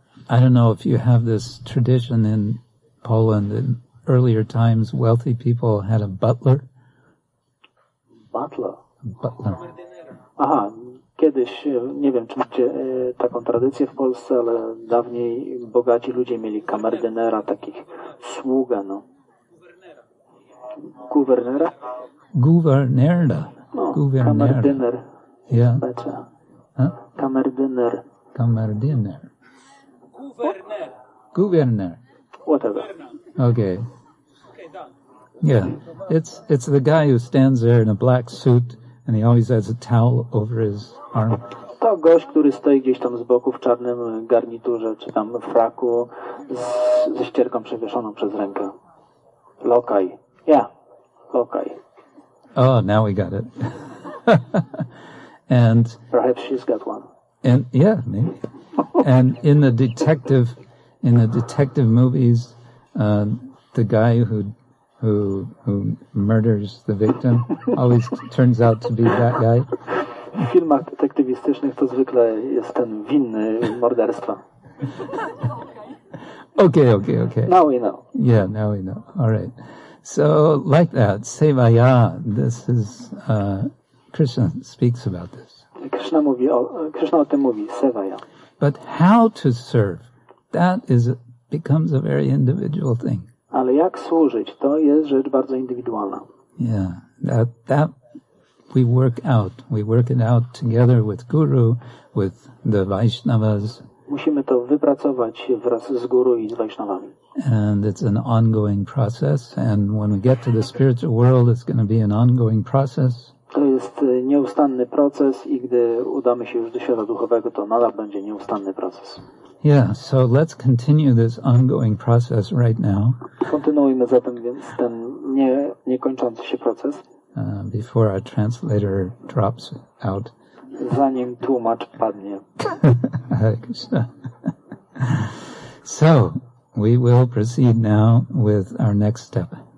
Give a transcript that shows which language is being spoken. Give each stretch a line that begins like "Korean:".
English: I don't know if you have this tradition in Poland. In earlier times, wealthy people had a butler. Butler. Butler.
Polish: Aha, kiedyś, nie wiem, czy macie taką tradycję w Polsce, ale dawniej bogaci ludzie mieli kamerdynera, takich sługa, no. Guvernera. Guvernera. No, guvernera. Kamerdyner.
English: Yeah.
Polish: Huh? Kamerdyner. Kamerdyner. Guvernér.
English: Whatever. Okay. Yeah, it's the guy who stands there in a black suit and he always has a towel over his arm.
Polish: To gość, który stoi gdzieś tam z boku w czarnym garniturze czy tam fraku ze ścierką przewieszoną przez rękę. Lokaj. Yeah, lokaj.
English: Oh, now we got it. And perhaps she's got one. And yeah, maybe. And in the detective movies, the guy who murders the victim always turns out to be that guy.
Polish: W filmach detektywistycznych to zwykle jest ten winny morderstwa.
English: Okay. Now we know. Yeah, now we know. All right. So like that, Sevaya, this is Krishna speaks about this.
Polish: Krishna o tym mówi, Sevaya.
English: But how to serve, that becomes a very individual thing.
Polish: Ale jak służyć, to jest rzecz bardzo indywidualna.
English: Yeah, that we work out. We work it out together with Guru, with the Vaishnavas.
Polish: Musimy to wypracować wraz z Guru i z Vaishnavami.
English: And it's an ongoing process. And when we get to the spiritual world, it's going to be an ongoing process.
Polish: To jest nieustanny proces i gdy udamy się już do świata duchowego, to nadal będzie nieustanny proces.
English: Yeah, so let's continue this ongoing process right now.
Polish: Kontynuujmy zatem więc ten niekończący się proces.
English: Before our translator drops out.
Polish: Zanim tłumacz padnie.
English: So, we will proceed now with our next step.